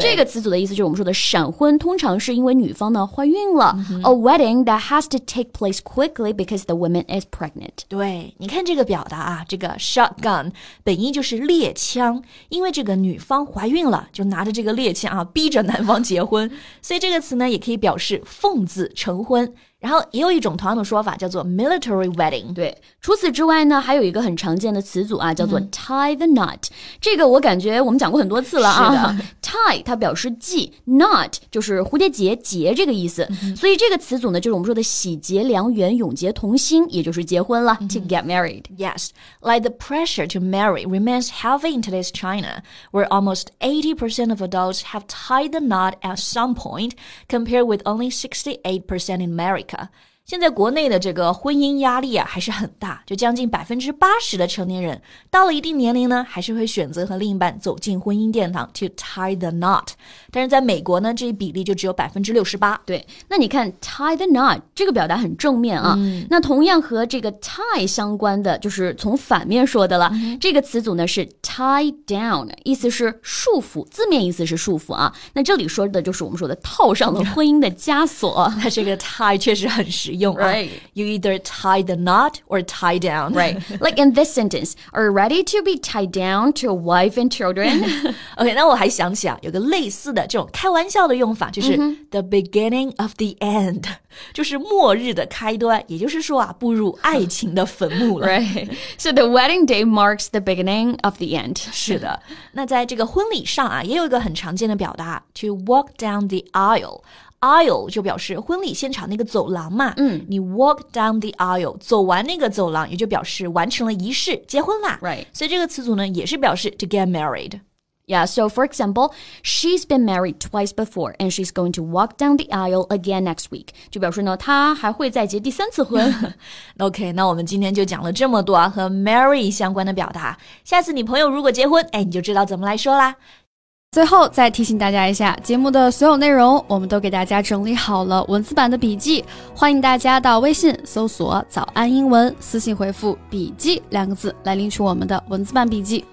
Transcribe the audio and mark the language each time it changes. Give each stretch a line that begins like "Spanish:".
Chinese: 这个词组的意思就是我们说的闪婚通常是因为女方呢怀孕了、 mm-hmm.
English: A wedding that has to take place quickly because the woman is pregnant.
Chinese: 对你看这个表达啊这个 shotgun 本意就是猎枪因为这个女方怀孕了就拿着这个猎枪啊逼着男方结婚所以这个词呢也可以表示奉子成婚然后也有一种同样的说法叫做 military wedding 对除此之外呢还有一个很常见的词组啊叫做 tie the knot、嗯、这个我感觉我们讲过很多次了啊是的 tie 它表示系 knot 就是蝴蝶结结这个意思、嗯、所以这个词组呢就是我们说的喜结良缘永结同心也就是结婚了、嗯、
English: to get married yes like the pressure to marry remains heavy in today's China where almost 80% of adults have tied the knot at some point compared with only 68% in America
Chinese: 现在国内的这个婚姻压力啊还是很大就将近 80% 的成年人到了一定年龄呢还是会选择和另一半走进婚姻殿堂 to tie the knot 但是在美国呢这一比例就只有 68% 对那你看 tie the knot 这个表达很正面啊、嗯、那同样和这个 tie 相关的就是从反面说的了、嗯、这个词组呢是 tie down 意思是束缚字面意思是束缚啊那这里说的就是我们说的套上了婚姻的枷锁那这个 tie 确实很实用、啊、
English: right. You either tie the knot or tie down. Right. Like in this sentence, are you ready to be tied down to a wife and children?
Chinese: OK, 那我还想起啊有个类似的这种开玩笑的用法就是、 mm-hmm. the beginning of the end, 就是末日的开端也就是说啊步入爱情的坟墓了。
English: Right. So the wedding day marks the beginning of the end.
Chinese: 是的。那在这个婚礼上啊也有一个很常见的表达 to walk down the aisle. Aisle 就表示婚礼现场那个走廊嘛、嗯、你 walk down the aisle 走完那个走廊也就表示完成了仪式结婚啦、
English: right.
Chinese: 所以这个词组呢也是表示 to get married
English: Yeah, so for example She's been married twice before And she's going to walk down the aisle again next week
Chinese: 就表示呢她还会再结第三次婚 OK, 那我们今天就讲了这么多、啊、和 marry 相关的表达下次你朋友如果结婚哎，你就知道怎么来说啦最后再提醒大家一下节目的所有内容我们都给大家整理好了文字版的笔记欢迎大家到微信搜索早安英文私信回复笔记两个字来领取我们的文字版笔记